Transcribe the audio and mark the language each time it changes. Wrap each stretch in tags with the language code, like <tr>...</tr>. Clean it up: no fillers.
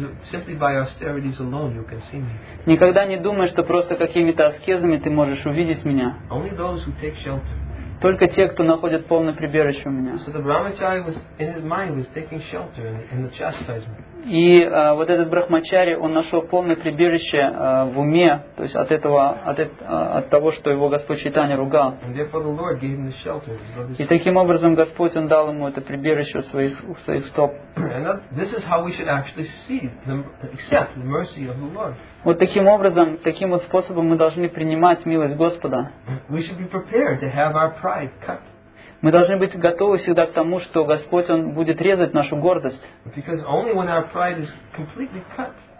<en>Simply by austerities alone you can see me.</en> <ru>Никогда не думай, что просто какими-то аскезами ты можешь увидеть меня.</ru> <en>Only those who take shelter.</en> <ru>Только те, кто находит полное прибежище у меня.</ru> <en>So the brahmachari was, in his mind, was taking shelter in the chastisement.</en> <ru>И вот этот брахмачари, он нашел полное прибежище в уме, то есть от этого, от того, что его Господь Чайтанья ругал.</ru> <en>And therefore the Lord gave him the shelter.</en> <ru>И таким образом Господь, он дал ему это прибежище в своих стоп.</ru> <en>And this is how we should actually see, accept the mercy of the Lord.</en> <ru>Вот таким образом, таким вот способом мы должны принимать милость Господа.</ru> <en>We should be prepared to have our pride cut.</en> <ru>Мы должны быть готовы всегда к тому, что Господь, Он будет резать нашу гордость.</ru> <en>Because only when our pride is completely cut.</en>